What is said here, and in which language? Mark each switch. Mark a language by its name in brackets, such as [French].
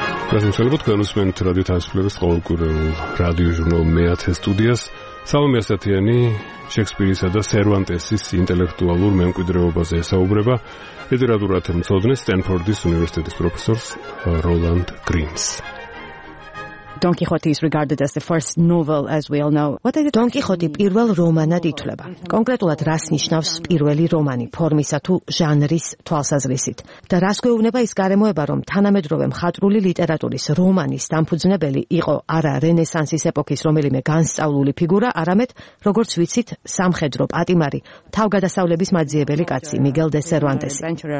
[Georgian] გასაუბრებით გამოსმენთ რადიო თანასწორების ყოველკვირეულ რადიო ჟურნალ მეათე სტუდიას. სალომე ასათიანი შექსპირისა და სერვანტესის ინტელექტუალურ მემკვიდრეობაზე ესაუბრება ლიტერატურათმცოდნე სტენფორდის უნივერსიტეტის პროფესორს როლანდ გრინს. [English] Don Quixote is regarded as the first novel as we all know. What is [Georgian] Don Quixote პირველ რომანად ითვლება? კონკრეტულად რას ნიშნავს პირველი რომანი ფორმისა თუ ჟანრის თვალსაზრისით? და რას გვეუბნება ის გარემოება, რომ თანამედროვე მხატვრული ლიტერატურის რომანის დამფუძნებელი იყო არა რენესანსის ეპოქის რომელიმე განსწავლული ფიგურა, არამედ, როგორც ვიცით, სამხედრო პატიმარი, თავგადასავლების მაძიებელი კაცი, მიგელ დე სერვანტესი.